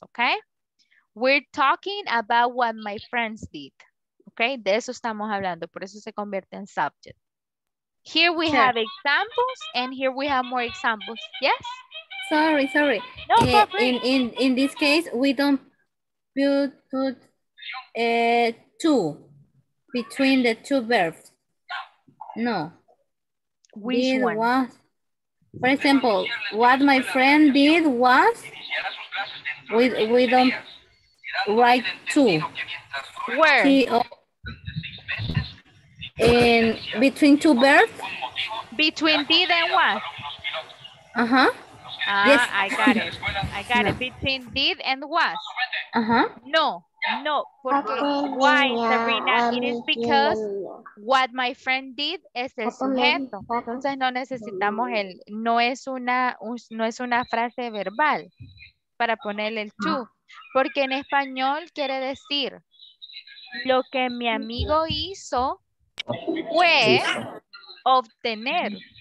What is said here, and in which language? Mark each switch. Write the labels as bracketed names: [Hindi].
[English] Ok, we're talking about what my friends did. [Spanish] Ok, de eso estamos hablando, por eso se convierte en subject. [English] Here we have examples, and here we have more examples. Yes? Sorry. No, in this case, we don't put two between the two verbs. No. Which did one? Was, for example, what my friend did was, we don't write two. Where? T-O. In between two verbs? Between did and what? Uh-huh. I got it. Between did and was. No, no. Why, Sabrina? It is because what my friend did [Spanish] es el sujeto. Entonces no necesitamos el, no es una frase verbal para ponerle el to. Porque en español quiere decir lo que mi amigo hizo fue obtener.